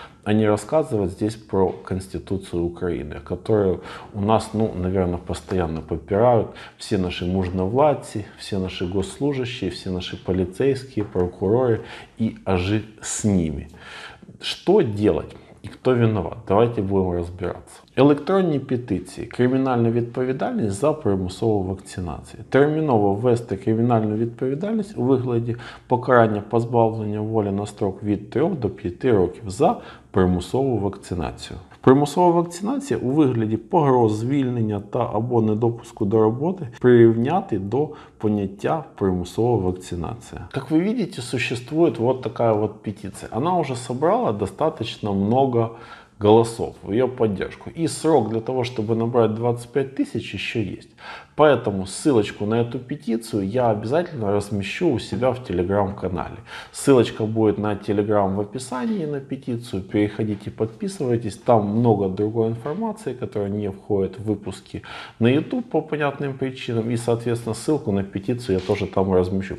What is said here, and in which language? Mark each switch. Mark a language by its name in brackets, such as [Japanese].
[Russian] А не рассказывать здесь про Конституцию Украины, которую у нас, ну, наверное, постоянно попирают все наши мужновладцы, все наши госслужащие, все наши полицейские, прокуроры и ажи с ними. Что делать? И кто виноват? Давайте будем разбираться. [Ukrainian] Електронні петиції, кримінальна відповідальність за примусову вакцинацію. Терміново ввести кримінальну відповідальність у вигляді покарання позбавлення волі на строк від 3 до 5 років за примусову вакцинацію. Примусова вакцинація у вигляді погроз, звільнення та або недопуску до роботи прирівняти до поняття примусова вакцинація. Як ви бачите, существує от така от петиція. Вона вже зібрала достатньо багато голосов, [Russian] в ее поддержку. И срок для того, чтобы набрать 25 тысяч, еще есть. Поэтому ссылочку на эту петицию я обязательно размещу у себя в телеграм-канале. Ссылочка будет на телеграм в описании на петицию. Переходите, подписывайтесь. Там много другой информации, которая не входит в выпуски на YouTube по понятным причинам. И, соответственно, ссылку на петицию я тоже там размещу.